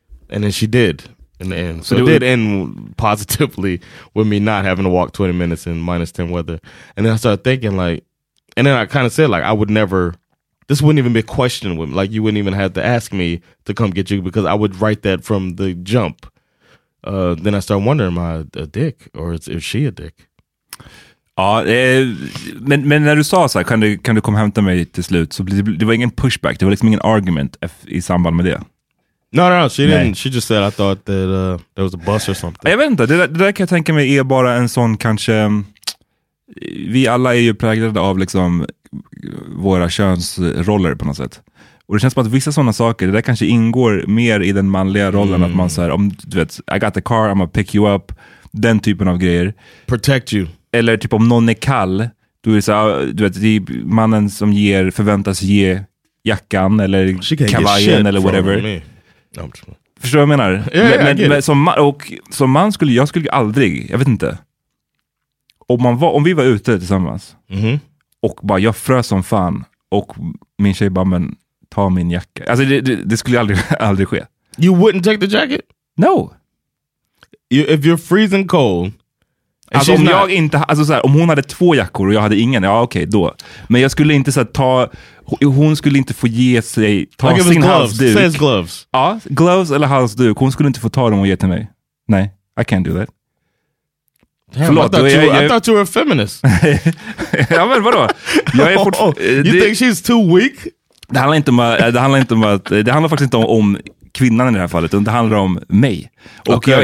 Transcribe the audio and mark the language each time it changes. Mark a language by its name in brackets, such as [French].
[English] And then she did in the end. So it did end positively with me not having to walk 20 minutes in minus 10 weather. And then I started thinking, like, and then I kind of said, like, I would never... This wouldn't even be a question with me. Like, you wouldn't even have to ask me to come get you because I would write that from the jump. Then I start wondering, am I a dick? Or is she a dick? [Swedish] Ja, men när du sa så här, kan du komma hämta mig till slut? Så det var ingen pushback. Det var liksom ingen argument i samband med det. [English] No, she didn't. [Swedish] Nej. [English] She just said I thought that there was a bus or something. [Swedish] Jag vet inte. Det där kan jag tänka mig är bara en sån kanske... Vi alla är ju präglade av liksom... våra könsroller på något sätt. Och det känns som att vissa sådana saker, det där kanske ingår mer i den manliga rollen. [English] Mm. [Swedish] Att man såhär, du vet, [English] I got the car, I'm gonna pick you up. [Swedish] Den typen av grejer. [English] Protect you. [Swedish] Eller typ om någon är kall, då är det såhär, du vet, det är mannen som ger, förväntas ge jackan eller kavajen eller whatever. Förstår vad jag menar? [English] Yeah, [Swedish] men som man skulle, jag skulle aldrig, jag vet inte. Om vi var ute tillsammans. Mm. Och bara, jag frös som fan. Och min tjej bara, men ta min jacka. Alltså det skulle aldrig ske. [English] You wouldn't take the jacket? No. If you're freezing cold. [Swedish] Alltså om jag inte, alltså såhär, om hon hade två jackor och jag hade ingen, ja okej, okay, då. Men jag skulle inte såhär ta, hon skulle inte få ge sig, ta [English] like [Swedish] sin halsduk. [English] Says gloves. [Swedish] Ja, gloves eller halsduk. Hon skulle inte få ta dem och ge till mig. Nej, [English] I can't do that. Damn, [Swedish] förlåt, [English] I thought you were a feminist. [Swedish] Ja, men vadå? Jag är [English] you think she's too weak? [Swedish] Det handlar faktiskt inte om kvinnan i det här fallet, utan det handlar om mig. Och okay.